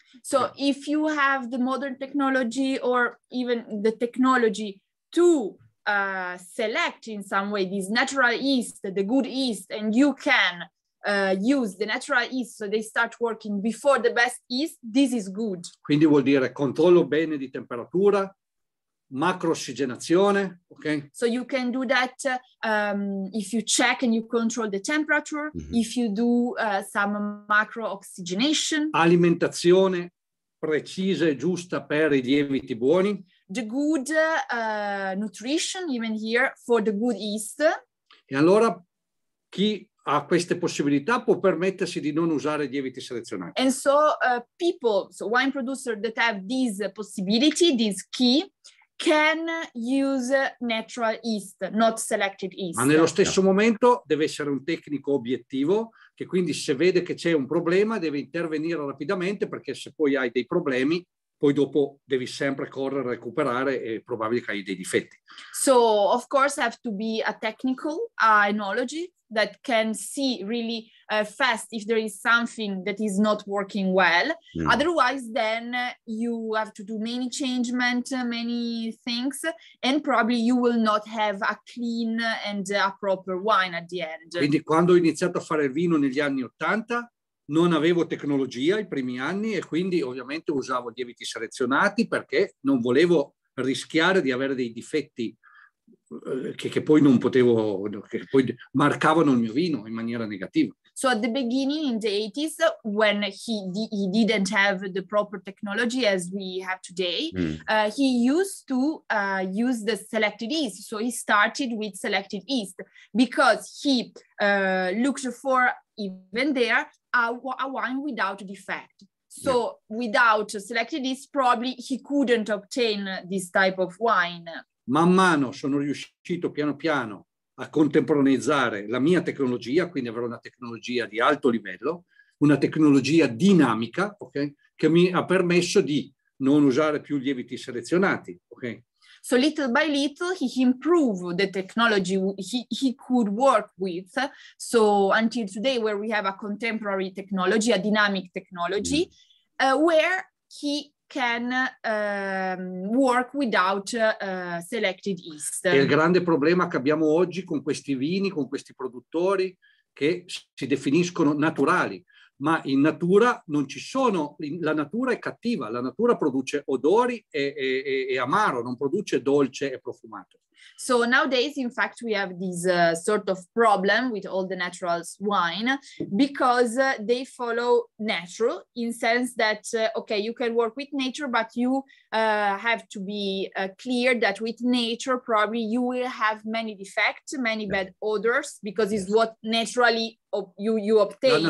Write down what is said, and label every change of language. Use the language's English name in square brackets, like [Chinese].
[English] So if you have the modern technology or even the technology to select in some way this natural yeast, the good yeast, and you can use the natural yeast so they start working before the best yeast, this is good. [Italian] Quindi vuol dire controllo bene di temperatura, macro ossigenazione, okay? [English] So you can do that if you check and you control the temperature, mm-hmm. if you do some macro oxygenation. [Italian] Alimentazione precisa e giusta per i lieviti buoni. [English] the good nutrition even here for the good yeast. [Italian] E allora chi ha queste possibilità può permettersi di non usare lieviti selezionati. [English] And so people, so wine producers that have this possibility, this key, can use natural yeast, not selected yeast. [Italian] Ma nello stesso momento deve essere un tecnico obiettivo, che quindi se vede che c'è un problema deve intervenire rapidamente, perché se poi hai dei problemi, poi dopo devi sempre correre a recuperare e è probabile che hai dei difetti. [English] So, of course, have to be a technical enology that can see really fast if there is something that is not working well. Mm. Otherwise, then you have to do many changements, many things, and probably you will not have a clean and a proper wine at the end. [Italian] Quindi quando ho iniziato a fare il vino negli anni 80, non avevo tecnologia i primi anni e quindi ovviamente usavo lieviti selezionati perché non volevo rischiare di avere dei difetti che poi non potevo, che poi marcavano il mio vino in maniera negativa. [English] So at the beginning in the 80s, when he didn't have the proper technology as we have today, he used to use the selected yeast. So he started with selected yeast because he looked for, even there, a wine without defect. So without selected yeast, probably he couldn't obtain this type of wine. [Italian] Man mano sono riuscito piano piano a contemporaneizzare la mia tecnologia, quindi avrò una tecnologia di alto livello, una tecnologia dinamica, ok, che mi ha permesso di non usare più lieviti selezionati, ok. [English] So little by little he improved the technology he could work with. So until today, where we have a contemporary technology, a dynamic technology, where he can work without selected yeast. [Italian] È il grande problema che abbiamo oggi con questi vini, con questi produttori che si definiscono naturali, ma in natura non ci sono, la natura è cattiva, la natura produce odori e amaro, non produce dolce e profumato. [English] So nowadays, in fact, we have this sort of problem with all the natural wine because they follow natural in sense that, okay, you can work with nature, but you have to be clear that with nature, probably you will have many defects, many bad odors, because it's what naturally you obtain.